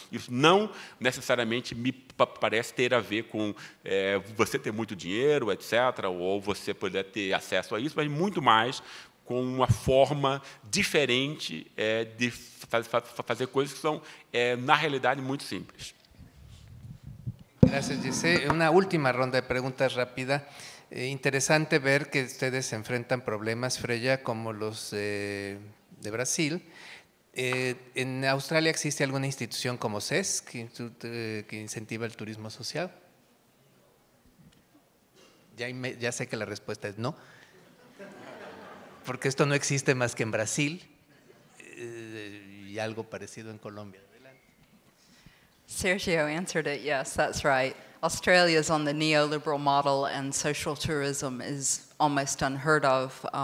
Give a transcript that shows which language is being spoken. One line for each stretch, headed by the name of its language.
Portuguese: Isso não necessariamente me parece ter a ver com você ter muito dinheiro, etc., ou você poder ter acesso a isso, mas muito mais com uma forma diferente de fazer coisas que são, na realidade, muito simples. Gracias, Gisele. Uma última ronda de perguntas rápida.
Spanish: Interesante ver que ustedes enfrentan problemas, Freya, como los de Brasil. ¿En Australia existe alguna institución como SES que incentiva el turismo social? Ya sé que la respuesta es no, porque esto no existe más que en Brasil y algo parecido en Colombia.
English: Sergio answered it, yes, that's right. Australia's on the neoliberal model and social tourism is almost unheard of.